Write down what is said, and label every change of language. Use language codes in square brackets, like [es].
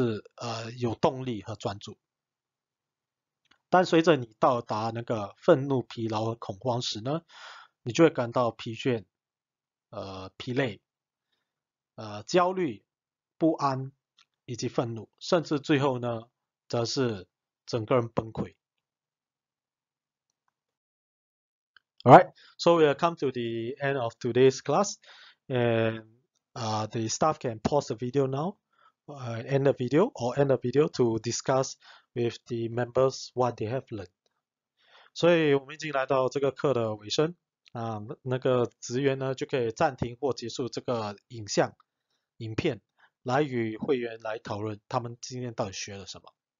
[zh] 直到达到就是有动力和专注。但随着你到达那个愤怒、疲劳和恐慌时呢，你就会感到疲倦、疲累、焦虑、不安以及愤怒，甚至最后呢，则是整个人崩溃。 [en] Alright, so we have come to the end of today's class, and the staff can pause the video now, end the video or end the video to discuss with the members what they have learned. [zh] 所以我们已经来到这个课的尾声啊，那个职员呢就可以暂停或结束这个影片，来与会员来讨论他们今天到底学了什么。